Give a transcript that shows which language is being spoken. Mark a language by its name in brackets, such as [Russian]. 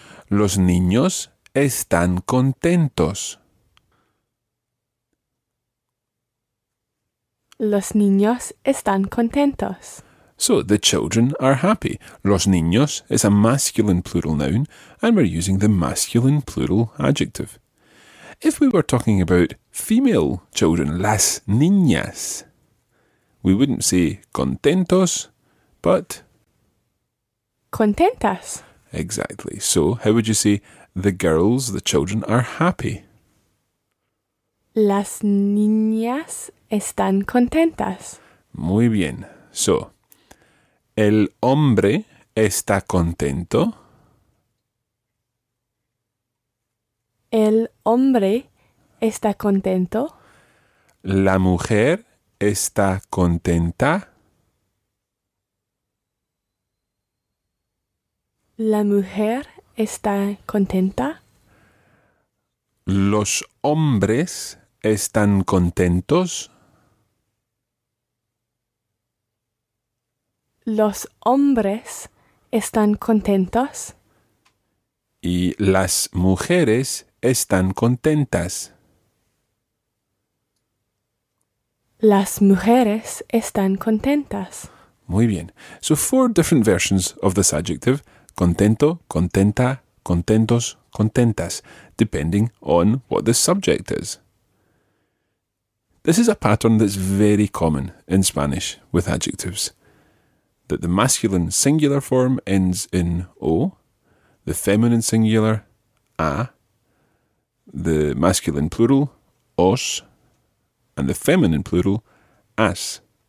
[Spanish] Los niños están contentos. Los niños están contentos. [English] So, the children are happy. Los niños is a masculine plural noun, and we're using the masculine plural adjective. If we were talking about female children, las niñas, we wouldn't say contentos, but [Spanish] contentas. [English] Exactly. So, how would you say the girls, the children, are happy? [Spanish] Las niñas están contentas. Muy bien. So, el hombre está contento. El hombre está contento. La mujer está contenta. La mujer está contenta. Los hombres están contentos. Los hombres están contentos. Y las mujeres están contentas. Las mujeres están contentas. Muy bien. [English] So, four different versions of this adjective. Contento, contenta, contentos, contentas, depending on what the subject is. This is a pattern that's very common in Spanish with adjectives, that the masculine singular form ends in O, the feminine singular, A, the masculine plural, Os, and the feminine plural, As.